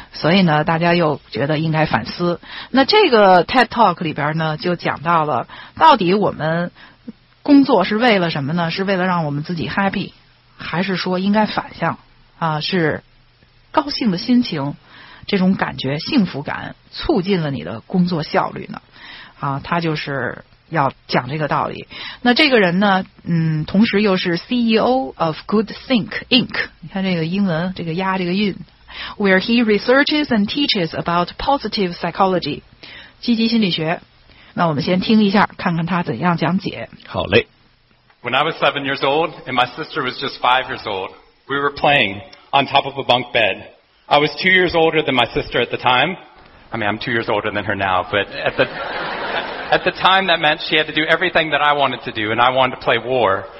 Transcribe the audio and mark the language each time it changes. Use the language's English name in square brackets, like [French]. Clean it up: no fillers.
[Chinese] 所以呢大家又觉得应该反思。那这个 TED Talk 里边呢就讲到了，到底我们工作是为了什么呢？是为了让我们自己 happy， 还是说应该反向啊？是高兴的心情，这种感觉幸福感促进了你的工作效率呢？啊，他就是要讲这个道理。那这个人呢，同时又是 CEO of Good Think Inc. 你看这个英文，这个押这个韵 ， [English] where he researches and teaches about positive psychology， [Chinese] 积极心理学。那我们先听一下，看看他怎样讲解。好嘞。 [English] When I was 7 years old and my sister was just 5 years old, we were playing on top of a bunk bed. I was 2 years older than my sister at the time. I mean, I'm 2 years older than her now, but At the time, that meant she had to do everything that I wanted to do, and I wanted to play war.